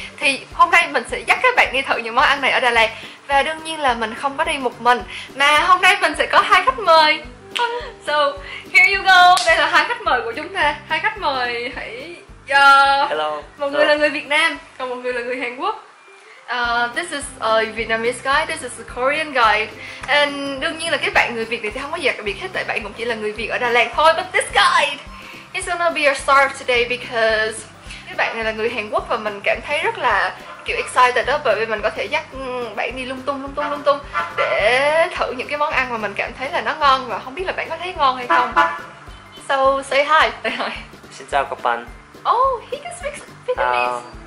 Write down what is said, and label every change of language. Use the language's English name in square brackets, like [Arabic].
[Vietnamese] Thì hôm nay mình sẽ dắt các bạn đi thử những món ăn này ở Đà Lạt. Và đương nhiên là mình không có đi một mình, mà hôm nay mình sẽ có hai khách mời. [English] So, here you go. [Vietnamese] Đây là hai khách mời của chúng ta. Hai khách mời hãy [English] Hello. [Vietnamese] Một người là người Việt Nam, còn một người là người Hàn Quốc. [English] This is a Vietnamese guy, this is a Korean guy. [Vietnamese] And đương nhiên là cái bạn người Việt này thì không có gì đặc biệt hết, tại bạn cũng chỉ là người Việt ở Đà Lạt thôi. [English] But this guy, he's gonna be your star today because [Vietnamese] cái bạn này là người Hàn Quốc và mình cảm thấy rất là kiểu excited đó, bởi vì mình có thể dắt bạn đi lung tung để thử những cái món ăn mà mình cảm thấy là nó ngon và không biết là bạn có thấy ngon hay không. [English] So say hi. [Vietnamese] Xin chào các bạn. [English] Oh, he can speak Vietnamese.